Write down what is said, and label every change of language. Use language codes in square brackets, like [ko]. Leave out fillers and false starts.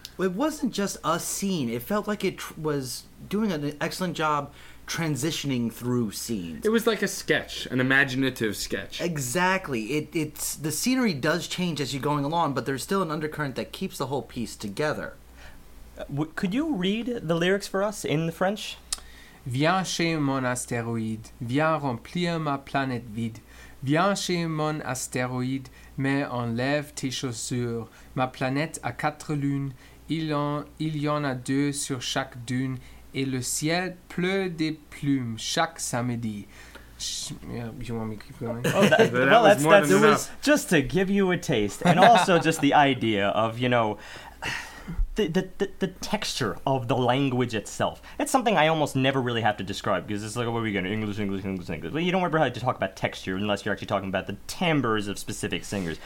[en] It wasn't just a scene. It felt like it was doing an excellent job transitioning through scenes. It was like a sketch, an imaginative sketch. Exactly. It's the scenery does change as you're going along, but there's still an undercurrent that keeps the whole piece together. Could you read the lyrics for us in French? [fr] Viens chez mon astéroïde, viens remplir ma planète vide. Viens chez mon astéroïde, mais enlève tes chaussures. Ma planète a 4 lunes. Il y en a 2 sur chaque dune, et le ciel pleut des plumes chaque samedi. [en] You want me to keep going? Well, that was just to give you a taste. And also just the idea of, you know, the texture of the language itself. It's something I almost never really have to describe, because it's like, what are we going to, English. Well, you don't remember how to talk about texture unless you're actually talking about the timbres of specific singers.